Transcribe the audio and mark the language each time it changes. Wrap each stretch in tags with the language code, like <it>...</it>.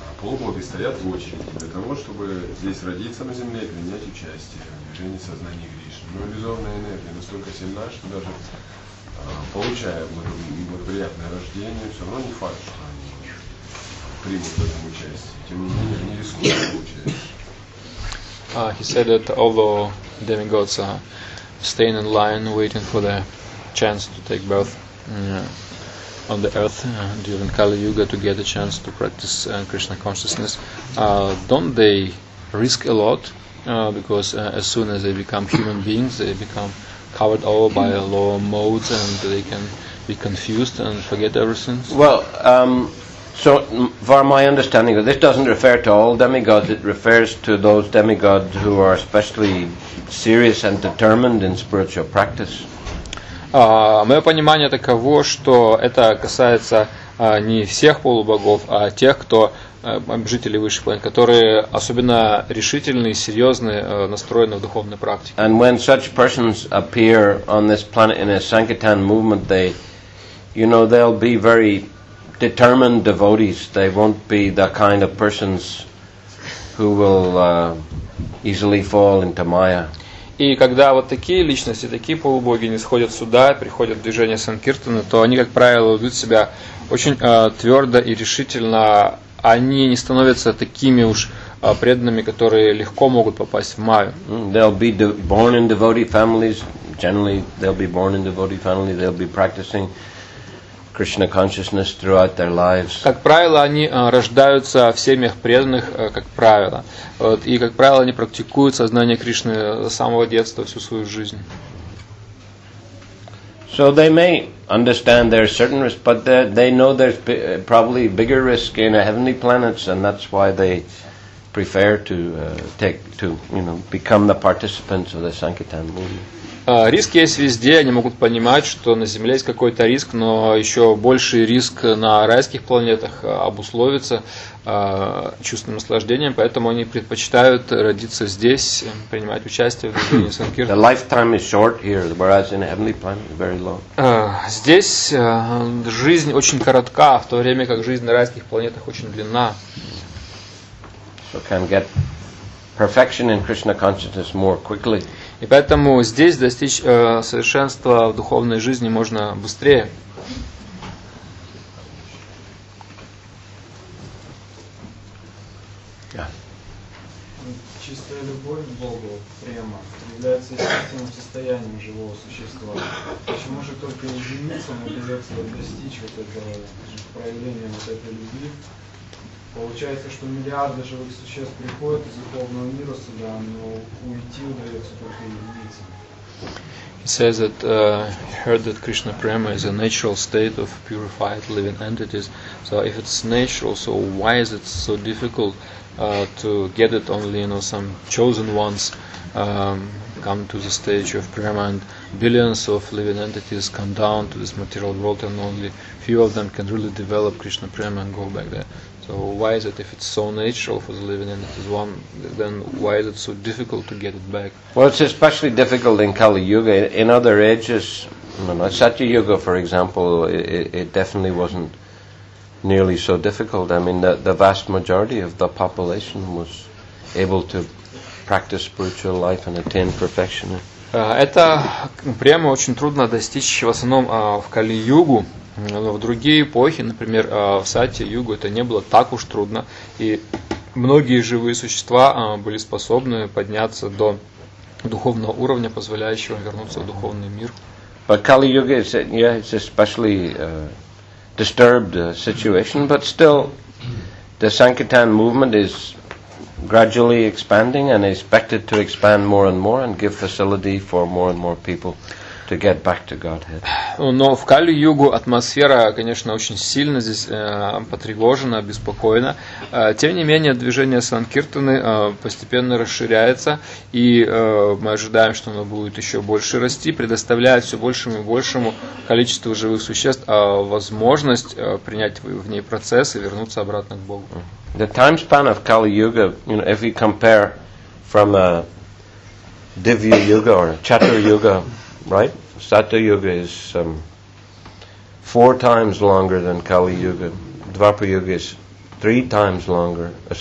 <ru>Полгода стоят в очереди для того, чтобы здесь родиться на земле и принять участие в движении сознания Кришны. Но иллюзорная энергия настолько сильна, что даже получая благоприятное рождение, все равно не факт, что они примут в этом участие. Тем не менее, они рискуют получать.</ru> <en>He said that although demigods are staying in line, waiting for the chance to take birth, on the earth during Kali Yuga to get a chance to practice Krishna consciousness, don't they risk a lot? Because as soon as they become human beings, they become covered over by lower modes and they can be confused and forget everything. Well, so from my understanding, this doesn't refer to all demigods. It refers to those demigods who are especially serious and determined in spiritual practice.</en> <ru>Мое понимание таково, что это касается не всех полубогов, а тех, кто жители высших планет, которые особенно решительны и серьезны, настроены в духовной практике.</ru> <en>And when such persons appear on this planet in a Sankirtan movement, they, you know, they'll be very determined devotees. They won't be the kind of persons who will easily fall into Maya.</en> <ru>И когда вот такие личности, такие полубоги нисходят сюда, приходят в движение Санкиртана, то они, как правило, ведут себя очень твердо и решительно. Они не становятся такими уж преданными, которые легко могут попасть в Майю.</ru> <en>They'll be born in devotee families. Generally, they'll be born in devotee families. They'll be practicing Krishna consciousness throughout their lives.</en> <ru>Как правило, они рождаются в семьях преданных, как правило. Вот, и как правило, они практикуют сознание Кришны с самого детства всю свою жизнь.</ru> <en>So they may understand there are certain risks, but they know there's probably bigger risk in a heavenly planets, and that's why they prefer to take to, you know, become the participants of the Sankirtan movement.</en> <ru>Риск есть везде, они могут понимать, что на Земле есть какой-то риск, но еще больший риск на райских планетах обусловится чувственным наслаждением, поэтому они предпочитают родиться здесь, принимать участие в движении Санкиртана.</ru> <en>The lifetime is short here, whereas in a heavenly planet it's very long.</en> <ru>Здесь жизнь очень коротка, в то время как жизнь на райских планетах очень длинна.</ru> <en>So can get perfection in Krishna consciousness more quickly.</en> <ru>И поэтому здесь достичь совершенства в духовной жизни можно быстрее. Чистая любовь к Богу, према, является естественным состоянием живого существа. Почему же только единицам удается достичь вот этого проявления вот этой любви? Получается, что миллиарды живых существ приходят из духовного мира сюда, но уйти удается только единицам.</ru> <en>He says that he heard that Krishna Prema is a natural state of purified living entities. So if it's natural, so why is it so difficult to get it? Only, you know, some chosen ones come to the stage of Prema, and billions of living entities come down to this material world, and only few of them can really develop Krishna Prema and go back there. So why is it, if it's so natural for the living entities, one, then why is it so difficult to get it back? Well, it's especially difficult in Kali Yuga. In other ages, you know, Satya Yuga, for example, it definitely wasn't nearly so difficult. I mean, the vast majority of the population was able to practice spiritual life and attain perfection.</en> <ru>Это прямо очень трудно достичь, в основном в Кали-Югу. Но в другие эпохи, например, в Сати-Югу, это не было так уж трудно. И многие живые существа были способны подняться до духовного уровня, позволяющего вернуться в духовный мир.</ru> <en>But Kali-Yuga is it's especially disturbed situation, but still the Sankirtan movement is gradually expanding and expected to expand more and more and give facility for more and more people to get back to Godhead.</en> <ru>Но в Кали-Югу атмосфера, конечно, очень сильно здесь потревожена, обеспокоена. Тем не менее, движение Санкиртаны постепенно расширяется, и мы ожидаем, что оно будет еще больше расти, предоставляя все большему и большему количеству живых существ возможность принять в ней процесс и вернуться обратно к Богу.</ru> <en>The time span of Kali-Yuga, you know, if we compare from Divya Yuga or Chatur Yuga, right? Satya Yuga is four times longer than Kali Yuga. два прийоги is three times longer.</en>